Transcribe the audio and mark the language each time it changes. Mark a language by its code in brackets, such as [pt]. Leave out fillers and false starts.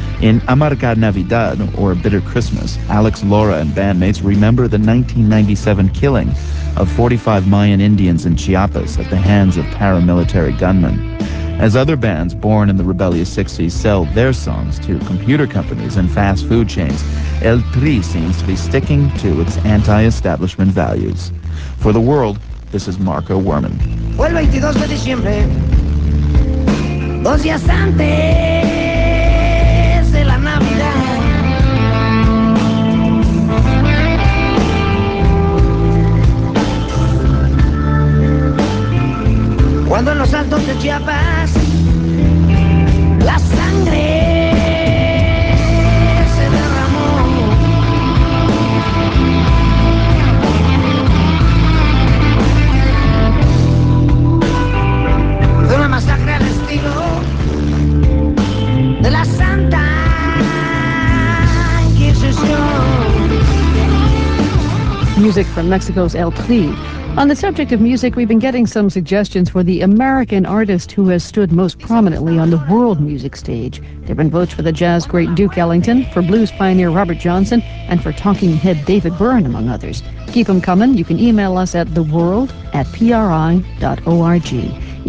[en] In Amarga Navidad, or Bitter Christmas, Alex Lora and bandmates remember the 1997 killing of 45 Mayan Indians in Chiapas at the hands of paramilitary gunmen. As other bands born in the rebellious 60s sell their songs to computer companies and fast food chains, El Tri seems to be sticking to its anti-establishment values. For The World, this is Marco Werman. [es] El 22 de diciembre, dos días antes de la Navidad. Cuando en los altos de Chiapas la sangre se derramó, de una masacre al estilo de la Santa Inquisición. [en] Music from Mexico's El Tri. On the subject of music, we've been getting some suggestions for the American artist who has stood most prominently on the world music stage. There have been votes for the jazz great Duke Ellington, for blues pioneer Robert Johnson, and for talking head David Byrne, among others. Keep them coming. You can email us at theworld@pri.org.